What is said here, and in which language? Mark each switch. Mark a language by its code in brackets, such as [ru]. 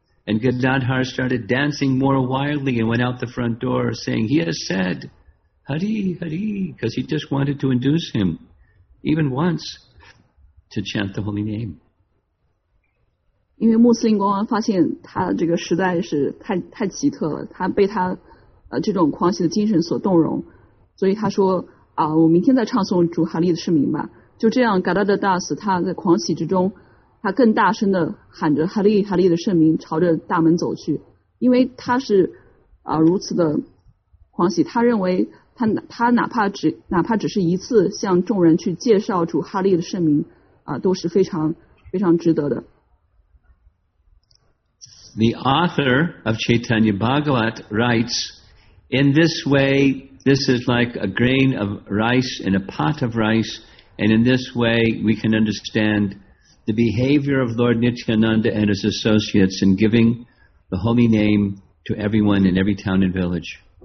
[en] And Gadadhar started dancing more wildly and went out the front door saying, he has said, Hari, Hari, because he just wanted to induce him, even once, to chant the holy name. [zh] 因为穆斯林国王发现他这个实在是太奇特了，他被他这种狂喜的精神所动容，所以他说啊，我明天再唱诵主哈利的圣名吧。就这样 Gadadhar Das 他在狂喜之中，他更大声地喊着哈利哈利的圣名，朝着大门走去。因为他是如此的狂喜，他认为他哪怕只是一次向众人去介绍主哈利的圣名都是非常非常值得的。 [en] The author of Chaitanya Bhagavat writes,In this way, this is like a grain of rice in a pot of rice, and in this way, we can understand the behavior of Lord Nityananda and his associates in giving the holy name to everyone in every town and village.